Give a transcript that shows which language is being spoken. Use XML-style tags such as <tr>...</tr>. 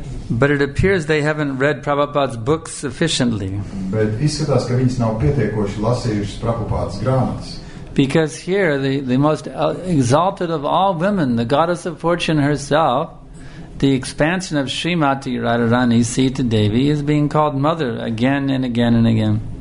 <en>But it appears they haven't read Prabhupāda's books sufficiently.</en> <lv>Bet izskatās, ka viņas nav pietiekoši lasījušas Prabhupāda's grāmatas.</lv> <en>Because here, the most exalted of all women, the goddess of fortune herself, the expansion of Srimati Radharani Sita Devi is being called Mother again and again and again.</en>